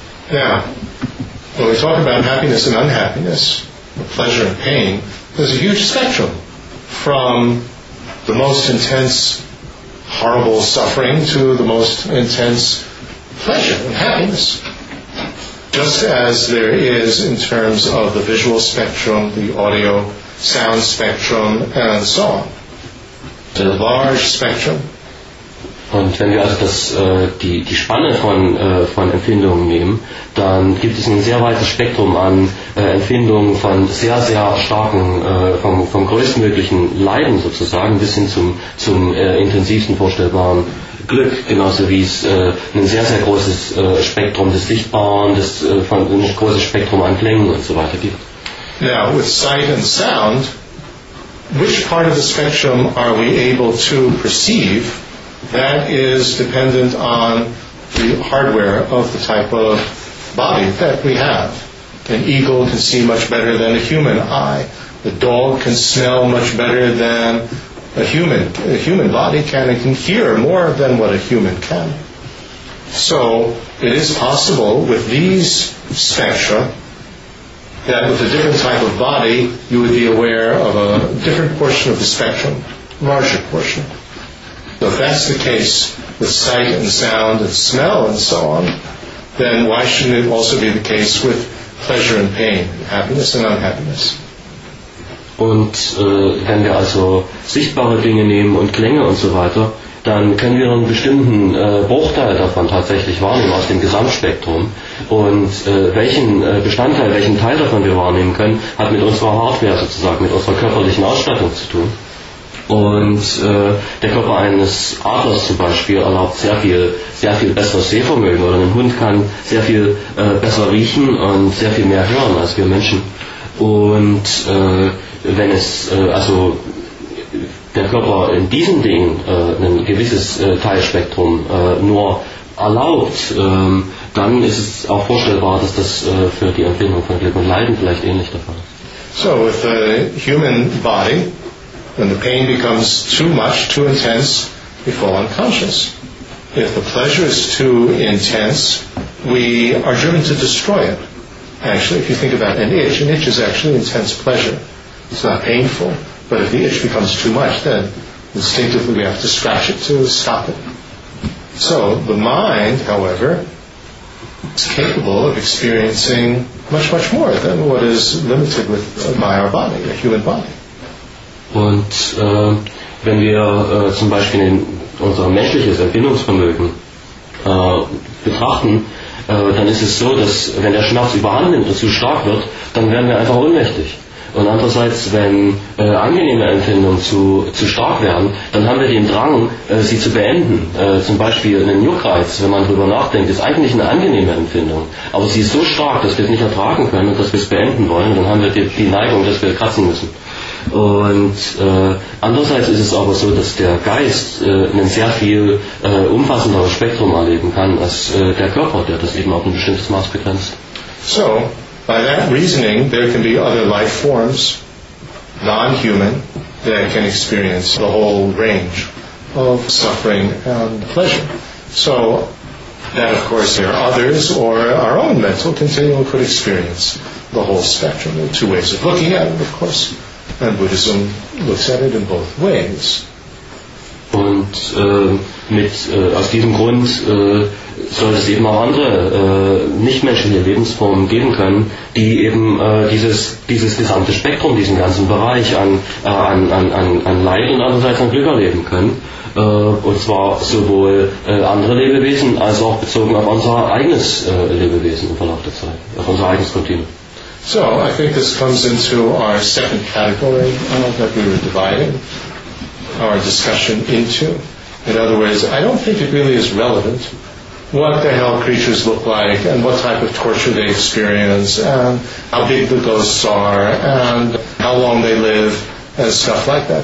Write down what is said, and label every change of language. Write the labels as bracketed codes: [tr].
[en] Now, when we talk about happiness and unhappiness, pleasure and pain, there's a huge spectrum from the most intense, horrible suffering to the most intense pleasure and happiness. Just as there is in terms of the visual spectrum, the audio sound spectrum, and so on. The large spectrum. [de] Und wenn wir also das, die Spanne von Empfindungen nehmen, dann gibt es ein sehr weites Spektrum an Empfindungen von sehr, sehr starken, vom größtmöglichen Leiden sozusagen bis hin zum intensivsten vorstellbaren Glück, genauso wie es ein sehr, sehr großes Spektrum des Sichtbaren, ein großes Spektrum an Klängen und so weiter gibt. [en] Now, with sight and sound, which part of the spectrum are we able to perceive? That is dependent on the hardware of the type of body that we have. An eagle can see much better than a human eye. A dog can smell much better than a human. A human body can and can hear more than what a human can. So it is possible with these spectra that with a different type of body you would be aware of a different portion of the spectrum, larger portion. So if that's the case with sight and sound and smell and so on, then why shouldn't it also be the case with pleasure and pain, happiness and unhappiness? [de] Und wenn wir also sichtbare Dinge nehmen und Klänge und so weiter, dann können wir einen bestimmten Bruchteil davon tatsächlich wahrnehmen aus dem Gesamtspektrum. Und welchen Bestandteil, welchen Teil davon wir wahrnehmen können, hat mit unserer Hardware sozusagen, mit unserer körperlichen Ausstattung zu tun. Und der Körper eines Adlers zum Beispiel erlaubt sehr viel besseres Sehvermögen, oder ein Hund kann sehr viel besser riechen und sehr viel mehr hören als wir Menschen. Und wenn es also der Körper in diesen Dingen ein gewisses Teilspektrum nur erlaubt, dann ist es auch vorstellbar, dass das für die Empfindung von Glück und Leiden vielleicht ähnlich der Fall ist. [en] So, with the human body, when the pain becomes too much, too intense, we fall unconscious. If the pleasure is too intense, we are driven to destroy it. Actually, if you think about an itch is actually intense pleasure. It's not painful, but if the itch becomes too much, then instinctively we have to scratch it to stop it. So the mind, however, is capable of experiencing much, much more than what is limited by our body, a human body. [de] Und wenn wir zum Beispiel unser menschliches Empfindungsvermögen betrachten, dann ist es so, dass wenn der Schmerz überhand nimmt und zu stark wird, dann werden wir einfach ohnmächtig. Und andererseits, wenn angenehme Empfindungen zu stark werden, dann haben wir den Drang, sie zu beenden. Zum Beispiel einen Juckreiz, wenn man darüber nachdenkt, ist eigentlich eine angenehme Empfindung. Aber sie ist so stark, dass wir es nicht ertragen können und dass wir es beenden wollen. Dann haben wir die Neigung, dass wir kratzen müssen. Und andererseits ist es aber so, dass der Geist ein sehr viel umfassenderes Spektrum erleben kann als der Körper, der das eben auf ein bestimmtes Maß begrenzt. [en] So, by that reasoning, there can be other life forms, non-human, that can experience the whole range of suffering and pleasure. So, that of course there are others, or our own mental continuum could experience the whole spectrum. There are two ways of looking at it, of course. And Buddhism looks at it in both ways. [de] Und aus diesem Grund soll es eben auch andere nichtmenschliche Lebensformen geben können, die eben dieses gesamte Spektrum, diesen ganzen Bereich an Leid und andererseits an Glück erleben können. Und zwar sowohl andere Lebewesen als auch bezogen auf unser eigenes Lebewesen im Verlauf der Zeit, auf unser eigenes Kontinuum. [en] So, I think this comes into our second category that we were dividing our discussion into. In other words, I don't think it really is relevant what the hell creatures look like and what type of torture they experience and how big the ghosts are and how long they live and stuff like that.